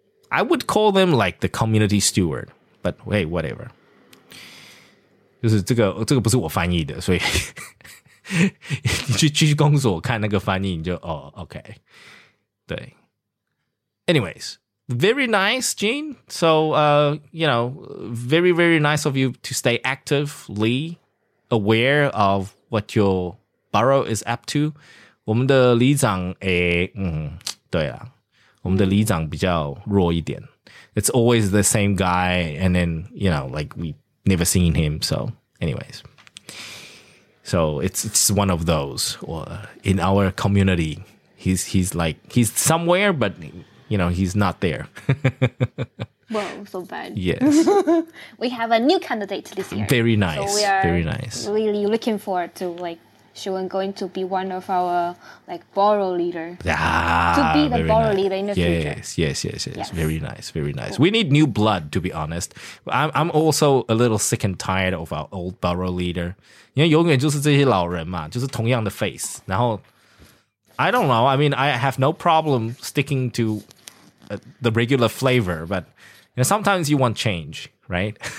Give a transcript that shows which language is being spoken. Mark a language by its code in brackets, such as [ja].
[en] I would call them like the community steward, but hey, whatever. [zh] 就是这个不是我翻译的, 所以你去公所看那个翻译,你就, okay. 对. [en] Anyways, very nice, Jean. So, you know, very, very nice of you to stay actively aware of what your borough is up to. [zh] 我们的里长,对啊。我们的里长比较弱一点. [en] It's always the same guy, and then, you know, like, we never seen him. So, anyways. So, it's one of those. In our community, he's somewhere, but, you know, he's not there. Whoa, so bad. Yes. We have a new candidate this year. Very nice. So we are very nice. Really looking forward to, like, she was going to be one of our, like, borough leader. To be the borough leader in the future. Yes. Very nice, very nice. Cool. We need new blood, to be honest. I'm also a little sick and tired of our old borough leader. [zh] 因为永远就是这些老人嘛，就是同样的face. 然后, [en] I don't know. I mean, I have no problem sticking to the regular flavor. But, you know, sometimes you want change, right?